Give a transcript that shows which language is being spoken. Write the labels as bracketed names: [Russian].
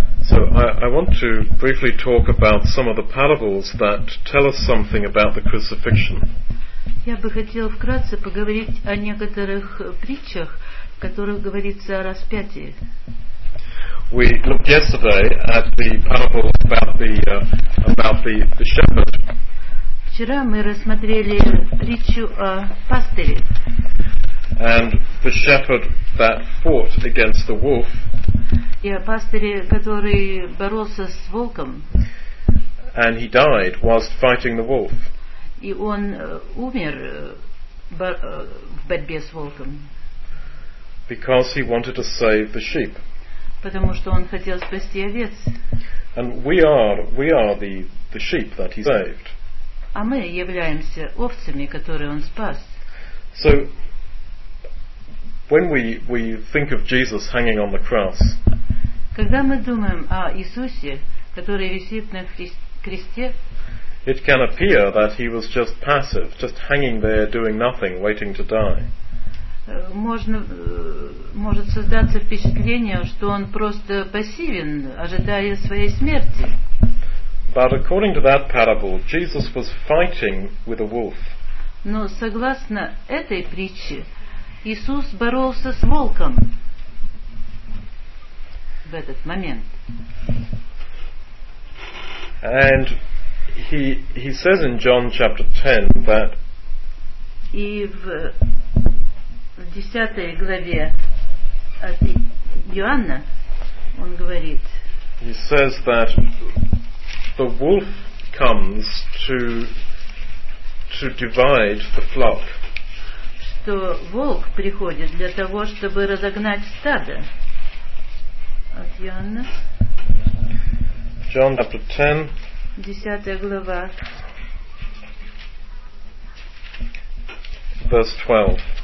[English] I want to briefly talk about some of the parables that tell us something about the crucifixion. [Russian] Я бы хотела вкратце поговорить о некоторых притчах, в которых говорится о распятии. [English] We looked yesterday at the parable about the shepherd. [Russian] Вчера мы рассмотрели притчу о пастыре. [English] And the shepherd that fought against the wolf. [Russian] И о пастыре, который боролся с волком. [English] And he died whilst fighting the wolf. [Russian] И он умер в борьбе с волком. [English] Because he wanted to save the sheep. [Russian] Потому что он хотел спасти овец. [English] And we are the sheep that he saved. [Russian] А мы являемся овцами, которые он спас. [English] So when we think of Jesus hanging on the cross. [Russian] Когда мы думаем о Иисусе, который висит на кресте. [English] It can appear that he was just passive, just hanging there, doing nothing, waiting to die. [Russian] Может создаться впечатление, что он просто пассивен, ожидая своей смерти. [English] But according to that parable, Jesus was fighting with a wolf. [Russian] Но согласно этой притче, Иисус боролся с волком в этот момент. [English] And he says in John chapter 10 that [Russian] и в 10 главе от Иоанна он говорит [English] he says that the wolf comes to divide the flock, [Russian] что волк приходит для того, чтобы разогнать стадо. От Иоанна, [English] John chapter 10, [Russian] 10 глава, [English] verse 12,